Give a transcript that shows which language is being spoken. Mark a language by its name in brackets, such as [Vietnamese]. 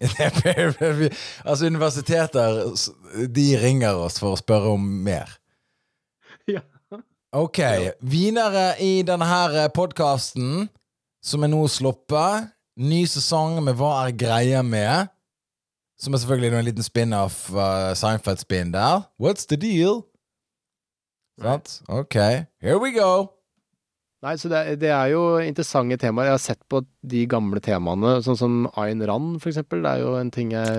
[Norwegian] Altså universiteter, de ringer oss for å spørre om mer. Ja. Ok, ja. Vinnere i denne podcasten, som er nå sluppet, ny sesong med Hva er greia med? Som er selvfølgelig en liten spin-off, Seinfeld-spin der. [English] What's the deal? Right. Ok, here we go. [Swedish] Nej, så det är ju intressanta teman. Jag har sett på de gamla temana sånn som Ayn Rand för exempel, det är ju [Norwegian] en ting jeg,